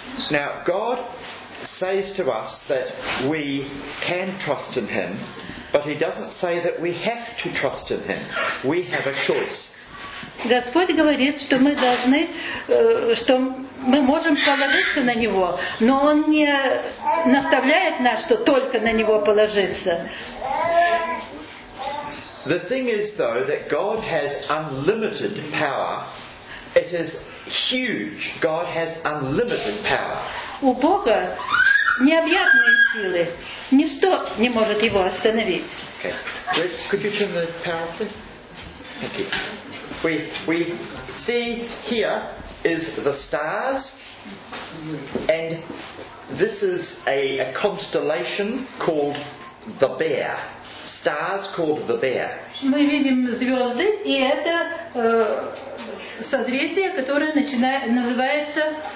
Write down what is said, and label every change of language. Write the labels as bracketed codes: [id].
[en] Now, God says to us that we can trust in him, but he doesn't say that we have to trust in him. We have a choice. [ru] Господь говорит, что мы должны, что мы можем положиться на него, но он не наставляет нас, что только на него положиться. [en] The thing is, though, that God has unlimited power. It is huge. God has unlimited power. [ru] У Бога необъятные силы. Ничто не может его остановить. [en] Okay. Could you turn the power, please? Thank you. We see here is the stars, and this is a constellation called the Bear. Stars called the Bear. [ru] Мы видим звезды, и это созвездие, которое называется.